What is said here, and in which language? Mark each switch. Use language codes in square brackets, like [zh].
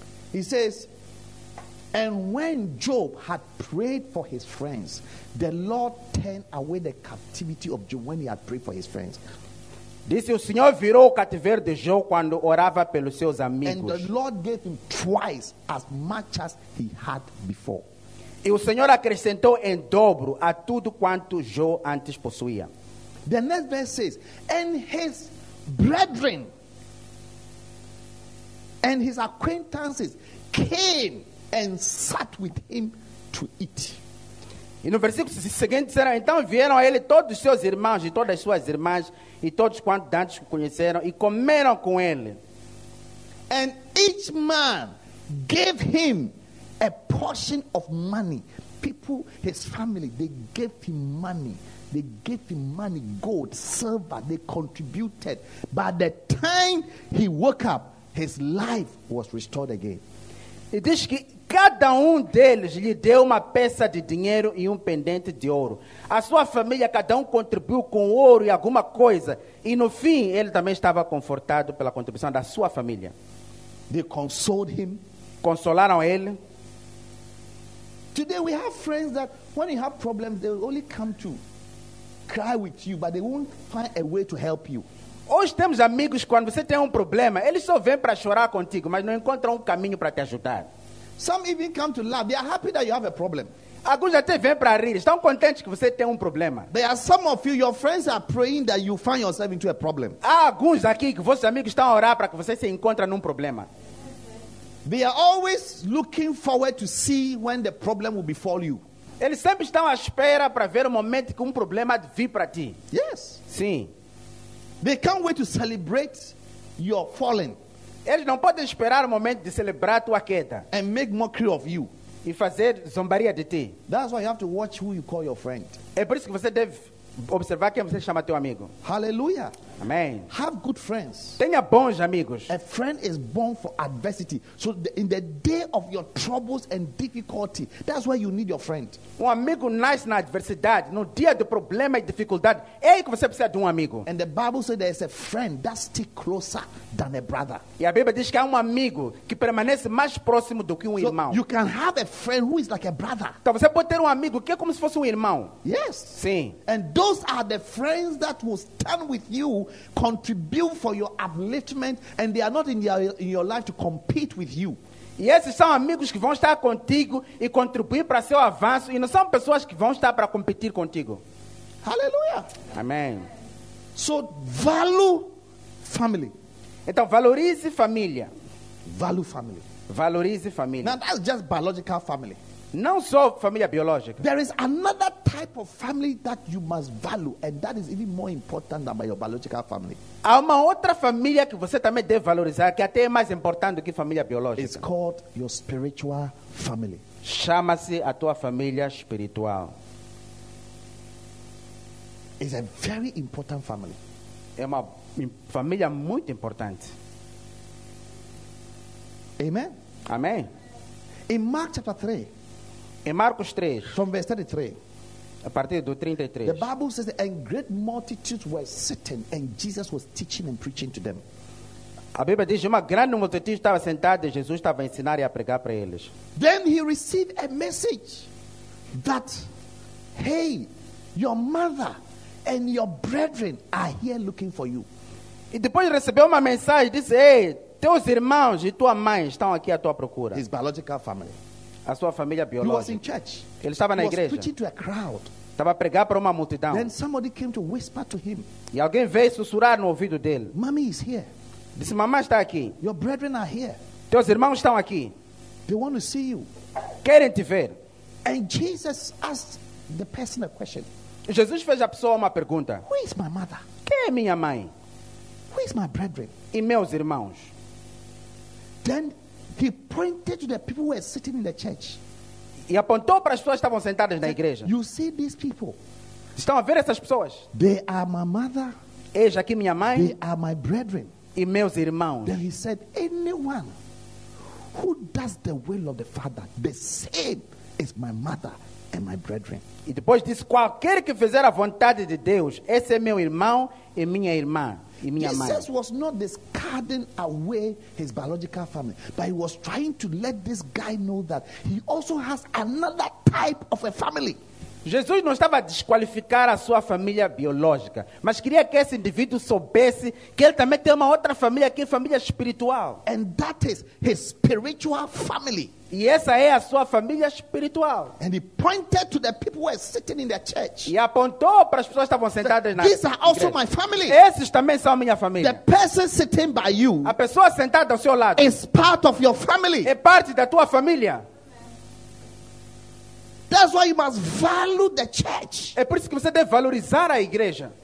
[en] He says, and when Job had prayed for his friends, the Lord turned away the captivity of Job when he had prayed for his friends. [pt] Disse, o Senhor virou o cativeiro de Jó quando orava pelos seus amigos. [en] And the Lord gave him twice as much as he had before. [pt] E o Senhor acrescentou em dobro a tudo quanto Jó antes possuía. [en] The next verse says, and his brethren and his acquaintances came and sat with him to eat. [pt] E no versículo seguinte será, então vieram a ele todos os seus irmãos e todas as suas irmãs e todos quantos antes conheceram e comeram com ele. [en] And each man gave him a portion of money. People, his family, they gave him money. They gave him money, gold, silver, they contributed. By the time he woke up, his life was restored again. [pt] E diz que cada deles lhe deu uma peça de dinheiro e pendente de ouro. A sua família, cada contribuiu com ouro e alguma coisa. E no fim, ele também estava confortado pela contribuição da sua família. [en] They consoled him. [pt] Consolaram ele. [en] Today we have friends that when you have problems, they will only come to cry with you, but they won't find a way to help you. [pt] Hoje temos amigos, quando você tem problema, eles só vêm para chorar contigo, mas não encontram caminho para te ajudar. [en] Some even come to laugh. They are happy that you have a problem. [pt] Alguns até vêm para rir, estão contentes que você tem problema. [en] There are some of you, your friends are praying that you find yourself into a problem. [pt] Há alguns aqui que vossos amigos estão a orar para que você se encontre problema. [en] They are always looking forward to see when the problem will befall you. [pt] Eles sempre estão à espera para ver o momento que problema vir para ti. [en] Yes. [pt] Sim. [en] They can't wait to celebrate your falling. [pt] Eles não podem esperar o momento de celebrar a tua queda. [en] And make mockery of you. [pt] E fazer zombaria de ti. [en] That's why you have to watch who you call your friend. [pt] É por isso que você deve observar quem você chama teu amigo. [en] Hallelujah. [pt] Amen. [en] Have good friends. [pt] Tenha bons amigos. [en] A friend is born for adversity. So in the day of your troubles and difficulty, that's why you need your friend. [pt] Amigo nasce na adversidade, no dia do problema e dificuldade, é que você precisa de amigo. [en] And the Bible says there is a friend that sticks closer than a brother. [pt] E a Bíblia diz que há amigo que permanece mais próximo do que irmão. [en] So you can have a friend who is like a brother. [pt] Então você pode ter amigo que é como se fosse irmão. [en] Yes. [pt] Sim. [en] And those are the friends that will stand with you, contribute for your upliftment, and they are not in your life to compete with you. [pt] E esses são amigos que vão estar contigo e contribuir para seu avanço, e não são pessoas que vão estar para competir contigo. [en] Hallelujah. [pt] Amen. [en] So value family. [pt] Então valorize família. [en] Value family. [pt] Valorize família. [en] Now that's just biological family. [pt] Não só família biológica. [en] There is another type of family that you must value, and that is even more important than your biological family. [pt] Há uma outra família que você também deve valorizar, que até é mais importante do que família biológica. [en] It's called your spiritual family. [pt] Chama-se a tua família espiritual. [en] It's a very important family. [pt] É uma família muito importante. [en] Amen. [pt] Amém. [en] In Mark chapter 3, [pt] em Marcos 3, [en] from verse 33, [pt] a partir do 33, [en] the Bible says, and great multitudes were sitting, and Jesus was teaching and preaching to them. [pt] A Bíblia diz que uma grande multidão estava sentada e Jesus estava a ensinar e a pregar para eles. [en] Then he received a message that, hey, your mother and your brethren are here looking for you. [pt] E depois recebeu uma mensagem, disse, hey, teus irmãos e tua mãe estão aqui à tua procura. [en] His biological family. [pt] A sua família biológica. [en] He was in church. [pt] Ele estava na [en] he [pt] igreja. [en] Was preaching to a crowd. [pt] Estava a pregar para uma multidão. [en] Then somebody came to whisper to him. [pt] E alguém veio sussurrar no ouvido dele. [en] Mommy is here. [pt] Disse, mamãe está aqui. [en] Your brethren are here. [pt] Teus irmãos estão aqui. [en] They want to see you. [pt] Querem te ver. [en] And Jesus asked the person a question. [pt] Jesus fez a pessoa uma pergunta. [en] Who is my mother? [pt] Quem é minha mãe? [en] Who is my brethren? [pt] E meus irmãos? [en] Then he pointed to the people who were sitting in the church. [pt] E apontou para as pessoas que estavam sentadas na igreja. [en] You see these people? [pt] Estão a ver essas pessoas? [en] They are my mother. [pt] Eis aqui minha mãe. [en] They are my brethren. [pt] E meus irmãos. [en] Then he said, anyone who does the will of the Father, the same is my mother and my brethren. [pt] E depois disse, qualquer que fizer a vontade de Deus, esse é meu irmão e minha irmã. [en] Jesus was not discarding away his biological family, but he was trying to let this guy know that he also has another type of a family. [pt] Jesus não estava a desqualificar a sua família biológica, mas queria que esse indivíduo soubesse que ele também tem uma outra família, que é a família espiritual. [en] And that is his spiritual family. [pt] E essa é a sua família espiritual. [en] And he pointed to the people who were sitting in the church. [pt] E apontou para as pessoas que estavam sentadas na [en] igreja. These are also my family. [pt] Esses também são minha família. [en] The person sitting by you, [pt] a pessoa sentada ao seu lado, [en] is part of your family. [pt] É parte da tua família. [en] That's why you must value the church. [pt] É por isso que você deve valorizar a igreja.